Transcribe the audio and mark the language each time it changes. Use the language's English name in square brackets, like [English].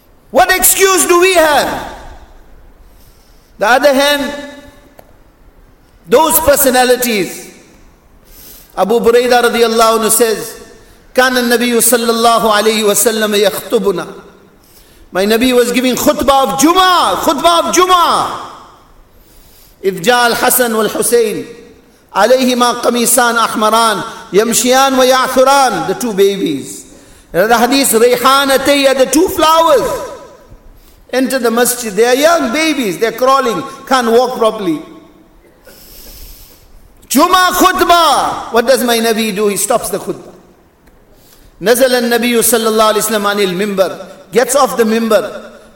[English] What excuse do we have? The other hand, those personalities, Abu Burayda radiallahu anhu says, [Arabic] كَانَ النَّبِيُّ صَلَّى اللَّهُ عَلَيْهِ وَسَلَّمَ يَخْطُبُنَا. [English] My Nabi was giving khutbah of Jummah. [Arabic] إِذْ جَاءَ الْحَسَنُ وَالْحُسَيْنِ عَلَيْهِمَا قَمِيسَانَ أَحْمَرَانَ Yamshiyan wa Ya'thuran, [English] the two babies. In the hadith, Rayhan Atayya, the two flowers. Enter the masjid. They are young babies. They are crawling. Can't walk properly. Juma khutbah. What does my Nabi do? He stops the khutbah. [Arabic] Nazal al Nabiyyu sallallahu alayhi wa sallam anil mimbar. [English] Gets off the mimbar.